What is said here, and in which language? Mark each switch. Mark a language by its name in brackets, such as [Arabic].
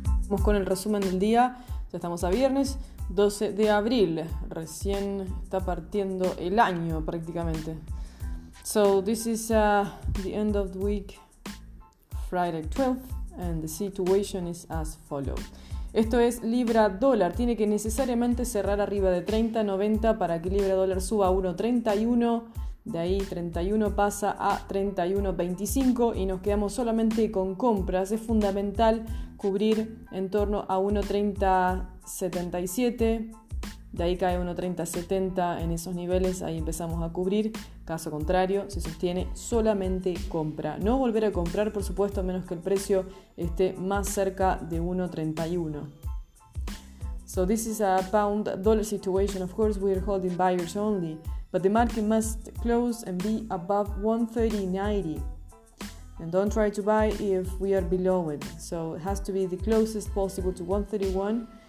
[Spanish] Vamos con el resumen del día. Ya estamos a viernes 12 de abril. Recién está partiendo el año prácticamente. [English] So this is the end of the week, Friday 12th, and the situation is as follows. [Spanish] Esto es libra dólar. Tiene que necesariamente cerrar arriba de 30.90 para que libra dólar suba a 1.31. De ahí 31 pasa a 31.25 y nos quedamos solamente con compras. Es fundamental cubrir en torno a 1.3077. De ahí cae 1.3070 en esos niveles. Ahí empezamos a cubrir. Caso contrario, se sostiene solamente compra. No volver a comprar, por supuesto, a menos que el precio esté más cerca de 1.31. [English] So this is a pound dollar situation. Of course, we are holding buyers only. But the market must close and be above 130.90. And don't try to buy if we are below it. So it has to be the closest possible to 131.